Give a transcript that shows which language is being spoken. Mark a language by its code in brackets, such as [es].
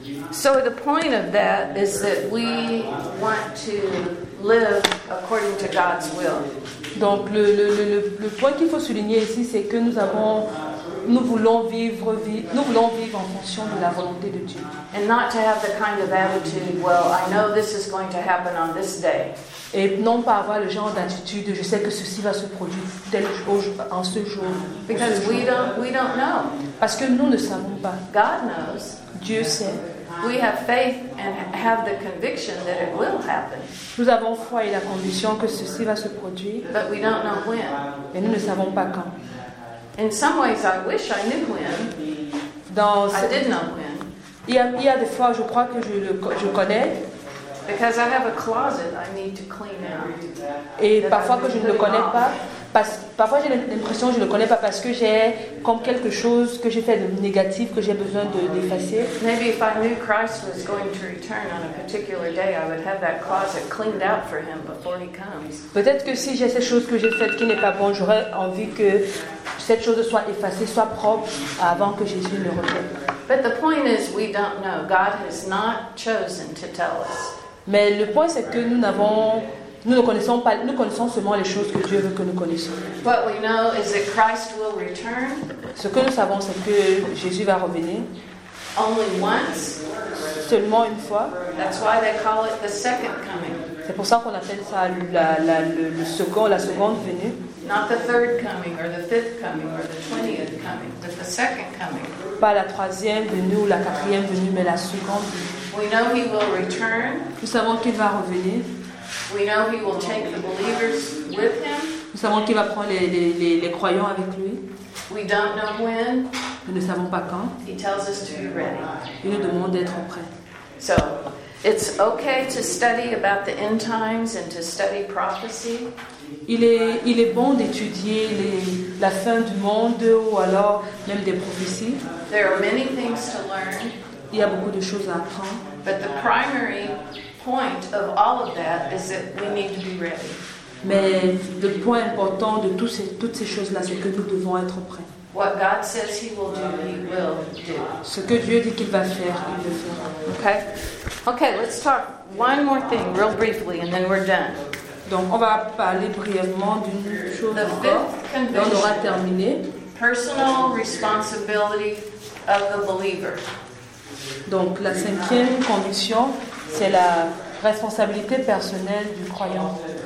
[en] So the point of that is that we want to live according to God's will. [fr] Donc le point qu'il faut souligner ici, c'est que nous voulons vivre en fonction de la volonté de Dieu. [en] And not to have the kind of attitude, well, I know this is going to happen on this day. [fr] Et non pas avoir le genre d'attitude, je sais que ceci va se produire tel jour, en ce jour. [en] Because we don't know. [fr] Parce que nous ne savons pas. [en] God knows. [fr] Dieu sait. [en] We have faith and have the conviction that it will happen. [fr] Nous avons foi et la conviction que ceci va se produire. [en] But we don't know when. [fr] Et nous ne savons pas quand. [en] In some ways, I wish I knew when. I did know when. [fr] Il y a des fois, je crois que je connais. [en] Because I have a closet I need to clean out. [fr] Et parfois que je ne le connais pas. Parfois j'ai l'impression que je ne le connais pas parce que j'ai comme quelque chose que j'ai fait de négatif que j'ai besoin d'effacer. [en] Maybe if I knew Christ was going to return on a particular day, I would have that closet cleaned out for him before he comes. [fr] Peut-être que si j'ai cette chose que j'ai faite qui n'est pas bonne, j'aurais envie que cette chose soit effacée, soit propre avant que Jésus ne revienne. [en] But the point is, we don't know. God has not chosen to tell us. [fr] Mais le point c'est que nous connaissons seulement les choses que Dieu veut que nous connaissions. [en] What we know is that Christ will return. [fr] Ce que nous savons, c'est que Jésus va revenir. [en] Only once. [fr] Seulement une fois. [en] That's why they call it the second coming. [fr] C'est pour ça qu'on appelle ça la seconde venue. [en] Not the third coming or the fifth coming or the 20th coming, but the second coming. [fr] Pas la troisième venue ou la quatrième venue, mais la seconde venue. [en] We know he will return. [fr] Nous savons qu'il va revenir. [en] We know he will take the believers with him. [fr] Nous savons qu'il va prendre les croyants avec lui. [en] We don't know when. [fr] Nous ne savons pas quand. [en] He tells us to be ready. [fr] Il nous demande d'être prêts. [en] So, it's okay to study about the end times and to study prophecy. [fr] Il est bon d'étudier la fin du monde ou alors même des prophéties. [en] There are many things to learn. [fr] Il y a beaucoup de choses à apprendre. [en] But the primary point of all of that is that we need to be ready. [fr] Mais le point important de toutes ces choses-là, c'est que nous devons être prêts. [en] What God says he will do, he will do. [fr] Ce que Dieu dit qu'il va faire, il le fera. [en] Okay, let's talk one more thing real briefly and then we're done. [fr] Donc on va parler brièvement d'une chose encore, et on aura terminé. [en] Personal responsibility of the believer. [fr] Donc la cinquième condition, c'est la responsabilité personnelle du croyant.